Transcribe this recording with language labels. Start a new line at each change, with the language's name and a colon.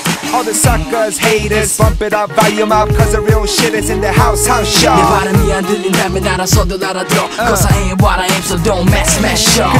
English: All the suckers, haters, bump it up, volume up. 'Cause the real shit is in the house, house show.
Korean: 내 발음이 안 들린다면 알아서들 알아들어.
English: 'Cause I ain't what I am, so don't mess, mess show.